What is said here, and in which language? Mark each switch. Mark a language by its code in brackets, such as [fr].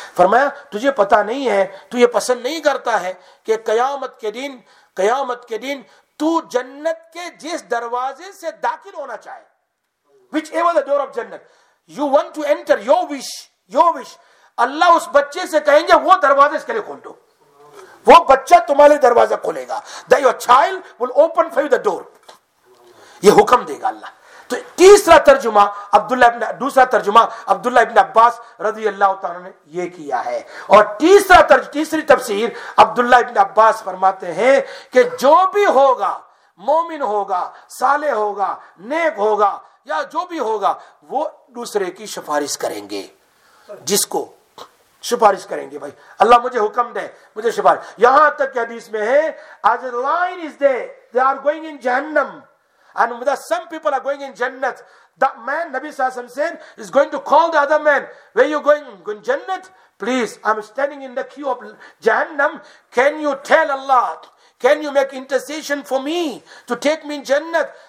[ur] فرمایا تجھے پتا نہیں ہے, تو یہ پسند نہیں کرتا ہے کہ قیامت کے دن تو جنت کے جس دروازے سے داخل ہونا چاہے, [en] which ever the door of jannat you want to enter, your wish, [ur] اللہ اس بچے سے کہیں گے وہ دروازے اس کے لیے کھول دو, وہ بچہ تمہارے دروازہ کھولے گا. [en] your child will open for you the door. [ur] یہ حکم دے گا اللہ. تو تیسرا ترجمہ عبداللہ ابن عباس رضی اللہ تعالیٰ نے یہ کیا ہے. اور تیسری تفسیر عبداللہ ابن عباس فرماتے ہیں کہ جو بھی ہوگا, مومن ہوگا, صالح ہوگا, نیک ہوگا, یا جو بھی ہوگا, وہ دوسرے کی سفارش کریں گے. جس کو سفارش کریں گے, بھائی اللہ مجھے حکم دے, مجھے سفارش. یہاں تک کہ حدیث میں ہے [en] as a line is there, they are going in jahannam. And with that, some people are going in Jannat. That man, Nabi Sallallahu Alaihi Wasallam said, is going to call the other man. Where are you going? I'm going to Jannat? Please, I'm standing in the queue of Jahannam. Can you tell Allah? Can you make intercession for me to take me in Jannat?